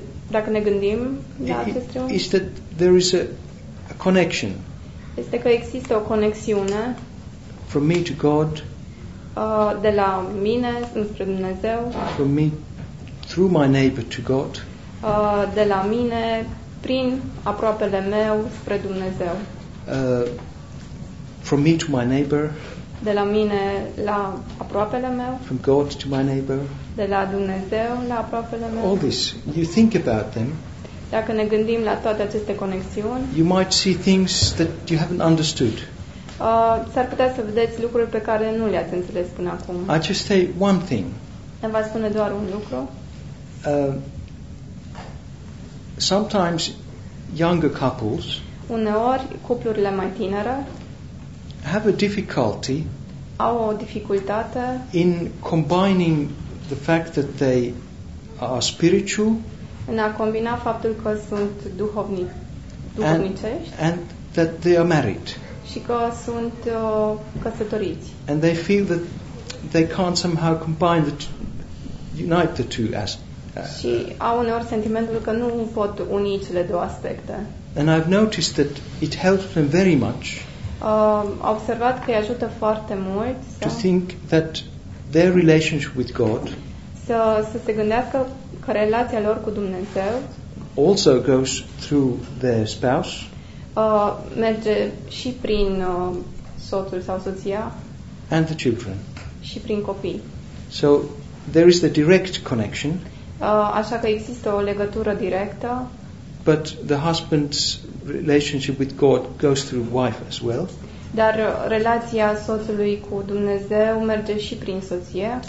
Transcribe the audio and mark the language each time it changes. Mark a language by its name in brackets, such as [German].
[Romanian] Dacă ne gândim la acest triunghi. [English] Is that there is a connection. [Romanian] Este că există o conexiune. [English] From me to God. [Romanian] De la mine înspre Dumnezeu. [English] From me through my neighbor to God. [Romanian] De la mine prin aproapele meu spre Dumnezeu. [English] From me to my neighbor. [Romanian] De la mine la aproapele meu. [English] From God to my neighbor. [Romanian] De la Dumnezeu la aproapele meu. [English] All this, you think about them. [Romanian] Dacă ne gândim la toate aceste conexiuni. [English] You might see things that you haven't understood. [Romanian] S-ar putea să vedeți lucruri pe care nu le-ați înțeles până acum. [English] I just say one thing. [Romanian] Îmi va spune doar un lucru. [English] Sometimes younger couples. [Romanian] Uneori cuplurile mai tinere. [English] Have a difficulty. [Romanian] Au o dificultate. [English] In combining the fact that they are spiritual. [Romanian] În a combina faptul că sunt duhovnicești. [English] And that they are married. [Romanian] Și că sunt căsătoriți. [English] And they feel that they can't somehow combine the unite the two aspects. [Romanian] Și au uneori sentimentul că nu pot uni cele două aspecte. [English] And I've noticed that it helps them very much. [Romanian] A observat că îi ajută foarte mult să [English] to think that their relationship with God [Romanian] să se gândească că relația lor cu Dumnezeu [English] also goes through their spouse. [Romanian] Merge și prin soțul sau soția [English] and the children. [Romanian] Și prin copii. [English] So there is the direct connection. [Romanian] Așa că există o legătură directă. [English] But the husband's relationship with God goes through wife as well. [Romanian] Dar relația soțului cu Dumnezeu merge și prin soție.